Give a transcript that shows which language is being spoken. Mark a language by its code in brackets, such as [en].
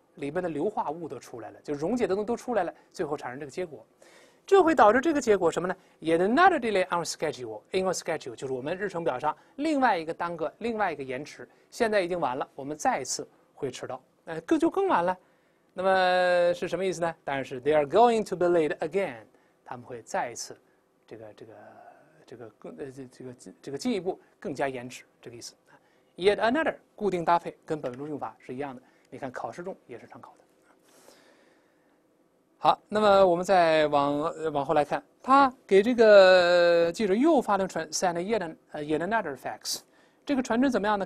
[zh] 里面的硫化物都出来了，就溶解的东西都出来了，最后产生这个结果，这会导致这个结果什么呢 ？ [en] Yet another delay on schedule. In our schedule [zh] 就是我们日程表上另外一个耽搁，另外一个延迟。现在已经晚了，我们再一次会迟到，更晚了。那么是什么意思呢？当然是 [en] they are going to be late again. [zh] 他们会再一次这个进一步更加延迟，这个意思。 Yet another 固定搭配跟本文中用法是一样的。你看考试中也是常考的。好，那么我们再往后来看，他给这个记者又发了传 [en] send yet another fax， [zh] 这个传真怎么样呢？